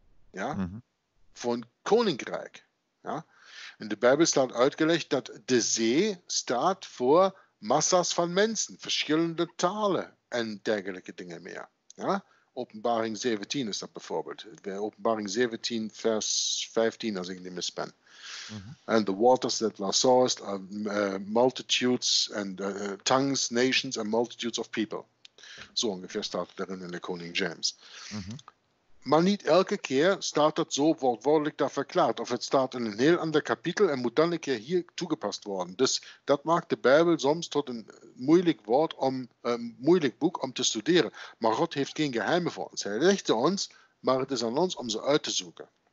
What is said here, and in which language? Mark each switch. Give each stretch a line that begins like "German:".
Dutch: Ja? Mm-hmm. Voor een koninkrijk. Ja? In de Bijbel staat uitgelegd dat de zee staat voor massa's van mensen, verschillende talen en dergelijke dingen meer. Ja? Openbaring 17 is dat bijvoorbeeld. Openbaring 17, vers 15, als ik niet mis ben. Mm-hmm.
English: And the waters that thou sawest are multitudes and tongues, nations and multitudes of people.
Dutch: Zo ungefähr staat erin in de Koning James. Mm-hmm. Maar niet elke keer staat dat zo wortwörtlich daar verklaard. Of het staat in een heel ander kapitel en moet dan een keer hier toegepast worden. Dus dat maakt de Bijbel soms tot een moeilijk woord om, moeilijk boek om te studeren. Maar God heeft geen geheimen voor ons. Hij legt ze ons, maar het is aan ons om ze uit te zoeken.